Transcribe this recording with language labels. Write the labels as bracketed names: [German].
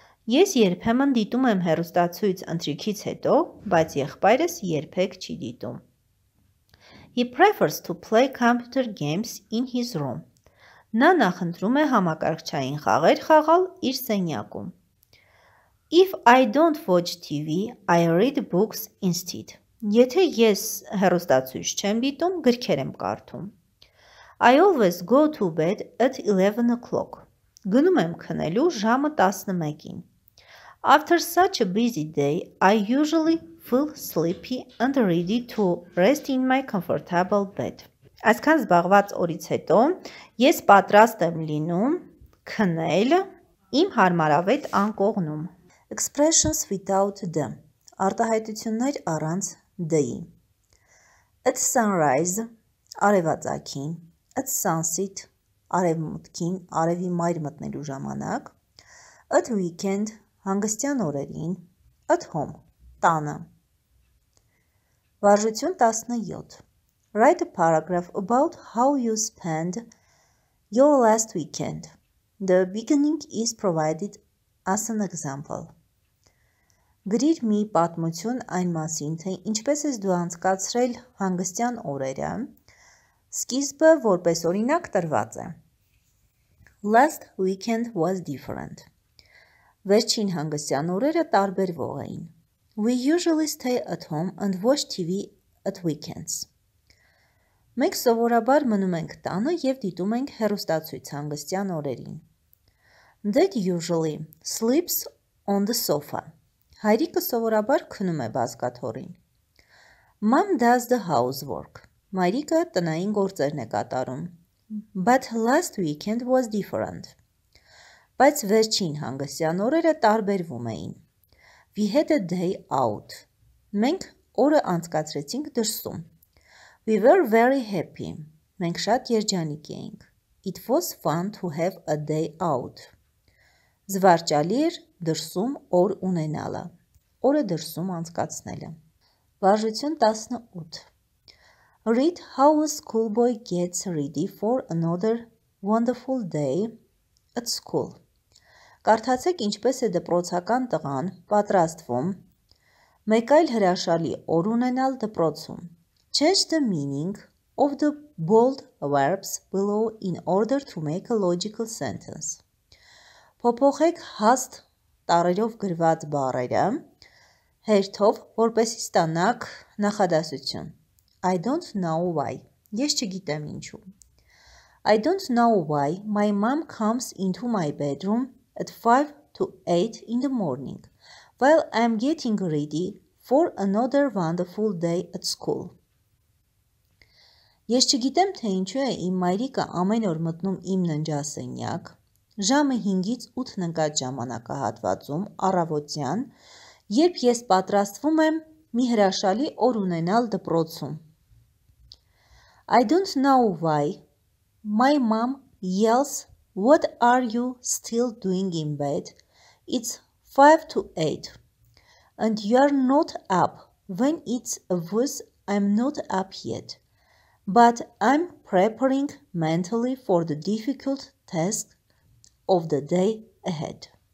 [Armenian] Ես երբեմն դիտում եմ հեռուստացույց ընթրիքից հետո, բայց եղբայրս երբեք չի դիտում. [English] He prefers to play computer games in his room. [Armenian] Նա նախընտրում է համակարգչային խաղեր խաղալ իր սենյակում. [English] If I don't watch TV, I read books instead. [Armenian] Եթե ես հեռուստացույց չեմ դիտում, գրքեր եմ կարդում. [English] I always go to bed at 11 o'clock. [Armenian] Գնում եմ քնելու ժամը 11-ին. [English] After such a busy day, I usually feel sleepy and ready to rest in my comfortable bed. [Armenian] Այսքան զբաղված օրից հետո ես պատրաստ եմ լինում քնել իմ հարմարավետ անկողնում. [English] Expressions without the. [Armenian] Արտահայտություններ առանց the-ի. [English] At sunrise, [Armenian] արևածագին. [English] At sunset, [Armenian] արևմուտքին, արևի մայր մտնելու ժամանակ. [English] At weekend, [Armenian] հանգստյան օրերին. [English] At home, [Armenian] տանը. Վարժություն 17. [English] Write a paragraph about how you spend your last weekend. The beginning is provided as an example. [Armenian] Գրիր մի պատմություն այն մասին, թե ինչպես ես դու անցկացրել հանգստյան օրերը. Սկիզբը որպես օրինակ տրված է. [English] Last weekend was different. [Armenian] Վերջին հանգստյան օրերը տարբերվող էին. [English] We usually stay at home and watch TV at weekends. [Armenian] Մենք սովորաբար մնում ենք տանը և դիտում ենք հեռուստացույց հանգստյան օրերին. [English] Dad usually sleeps on the sofa. [Armenian] Հայրիկը սովորաբար քնում է բազկաթոռին. [English] Mom does the housework. [Armenian] Մայրիկը տնային գործերն է կատարում. [English] But last weekend was different. [Armenian] Բայց վերջին հանգստյան օրերը տարբերվում էին. [English] We had a day out. [Armenian] Մենք օրը անցկացրեցինք դրսում. [English] We were very happy. [Armenian] Մենք շատ երջանիկ էինք. [English] It was fun to have a day out. [Armenian] Զվարճալի էր դրսում օր ունենալը, օրը դրսում անցկացնելը. Վարժություն 18. [English] Read how a schoolboy gets ready for another wonderful day at school. [Armenian] Կարդացեք ինչպես է դպրոցական տղան պատրաստվում մեկ այլ հրաշալի օր ունենալ դպրոցում. [English] Change the meaning of the bold verbs below in order to make a logical sentence. [Armenian] Փոփոխեք հաստ տառերով գրված բառերը հերթով, որպեսզի ստանաք նախադասություն. [English] I don't know why. [Armenian] Ես չգիտեմ ինչու. [English] I don't know why my mom comes into my bedroom at 5 to 8 in the morning while I'm getting ready for another wonderful day at school. [Armenian] Ես չգիտեմ, թե ինչու է իմ մայրիկը ամեն օր մտնում իմ ննջասենյակ ժամը 5-ից 8-ն ընկած ժամանակահատվածում առավոտյան, երբ ես պատրաստվում եմ մի հրաշալի օր ունենալ դպրոցում. [English] I don't know why my mom yells, "What are you still doing in bed? It's 5 to 8. And you are not up. When it's a whiz, I'm not up yet. But I'm preparing mentally for the difficult task of the day ahead."